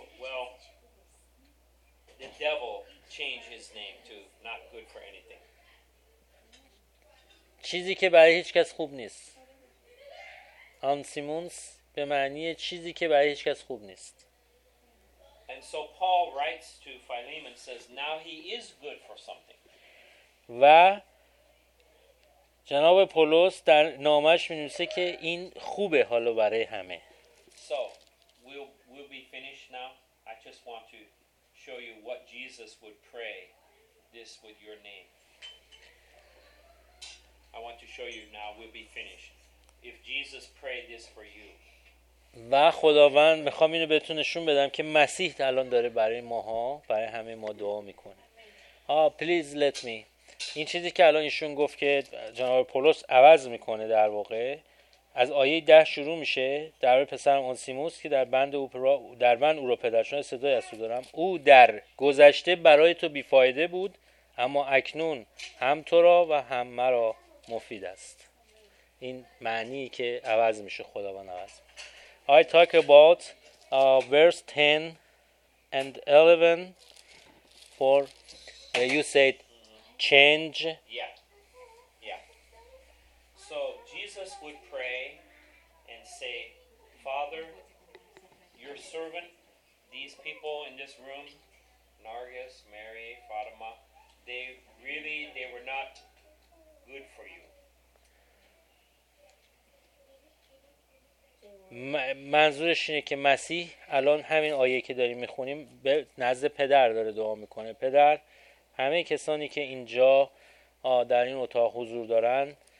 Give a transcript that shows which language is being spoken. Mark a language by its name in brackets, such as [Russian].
[English] Well, the devil changed his name to not good for anything. [Persian] چیزی که برای هیچ کس خوب نیست. Onesimus به معنی چیزی که برای هیچ کس خوب نیست. [English] And so Paul writes to Philemon, says now he is good for something. [Persian] و جناب پولس در نامش می‌نویسه که این خوبه حالا برای همه. [English] So we'll be finished now. I just want to show you what Jesus would pray this with your name. I want to show you now. We'll be finished. If Jesus prayed this for you. [Persian] و خداوند میخوام اینو بهتون نشون بدم که مسیح الان داره برای ماها برای همه ما دعا میکنه. [English] Please let me. [Persian] این چیزی که الان ایشون گفت که جناب پولس عوض میکنه در واقع از آیه 10 شروع میشه در باره پسرم آنسیموس که در بند او را پدرشون صدای از تو دارم. او در گذشته برای تو بیفایده بود اما اکنون هم تو را و هم مرا مفید است. این معنی که عوض میشه خداوند عوض. [English] I talk about verse 10 and 11 for you said change. Yeah. So Jesus would pray and say, Father, your servant, these people in this room, Nargis, Mary, Fatima, they were not good for you. [Persian] منظورش اینه که مسیح الان همین آیه که داریم میخونیم به نزد پدر داره دعا میکنه. پدر همه کسانی که اینجا در این اتاق حضور دارن